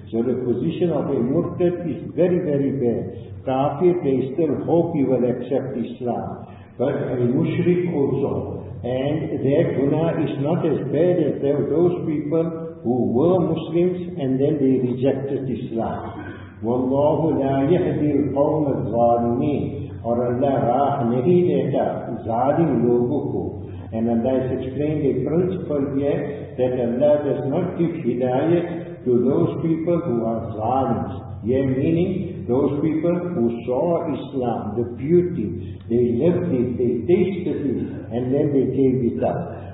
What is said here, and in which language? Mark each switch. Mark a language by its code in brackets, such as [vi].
[en] So the position of a murtad is very, very bad. Kafir, they still hope he will accept Islam. But a mushrik also, and their guna is not as bad as those people who were Muslims and then they rejected Islam. [ar] وَاللَّهُ لَا يَحْدِي الْقَوْمَ الظَّالِمِينَ [ur] اور اللہ راہ نہیں دیتا ظالم لوگوں کو. [en] And Allah has explained a principle here that Allah does not give hidayat to those people who are zalims. Yeah, meaning those people who saw Islam, the beauty, they lived it, they tasted it, and then they gave it up.